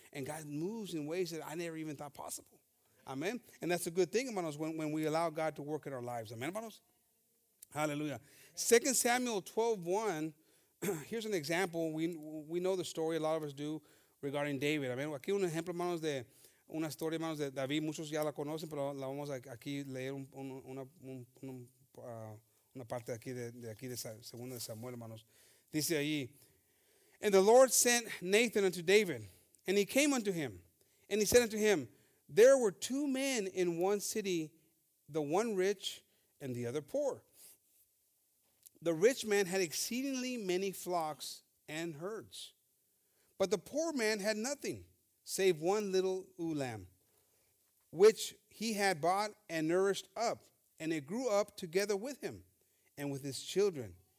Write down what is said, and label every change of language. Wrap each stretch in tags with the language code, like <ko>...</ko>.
<en>And God moves in ways that I never even thought possible. Amen. And that's a good thing, hermanos, when we allow God to work in our lives. Amen, hermanos. Hallelujah. 2 Samuel 12:1. Here's an example. We know the story, a lot of us do, regarding David. Amen.</en> <es>Aquí un ejemplo, hermanos, de una historia, hermanos, de David. Muchos ya la conocen, pero la vamos a aquí leer una parte de aquí de Segunda de Samuel, hermanos. Dice allí,</es> <en>and the Lord sent Nathan unto David, and he came unto him, and he said unto him, there were two men in one city, the one rich and the other poor. The rich man had exceedingly many flocks and herds, but the poor man had nothing save one little ewe lamb, which he had bought and nourished up, and it grew up together with him and with his children.</en>